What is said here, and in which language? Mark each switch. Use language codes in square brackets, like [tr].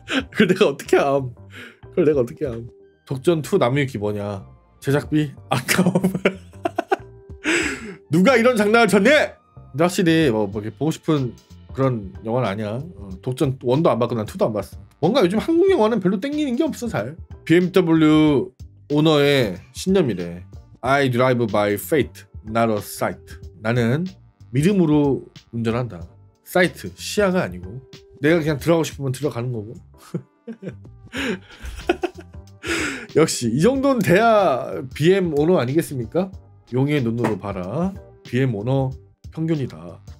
[ko] 그걸 내가 어떻게 암? 그걸 내가 어떻게 암? 독전2 남유기 뭐냐? 제작비? 아까움. 누가 이런 장난을 쳤니? 근데 확실히 뭐 보고 싶은 그런 영화는 아니야. 독전 1도 안 봤고 난 2도 안 봤어. 뭔가 요즘 한국 영화는 별로 땡기는 게 없어 잘. BMW 오너의 신념이래. [en] I drive by faith, not a sight. [ko] 나는 믿음으로 운전한다. Sight, 시야가 아니고. 내가 그냥 들어가고 싶으면 들어가는 거고. 역시 이 정도는 돼야 BM 오너 아니겠습니까? 용의 눈으로 봐라. BM 오너 평균이다.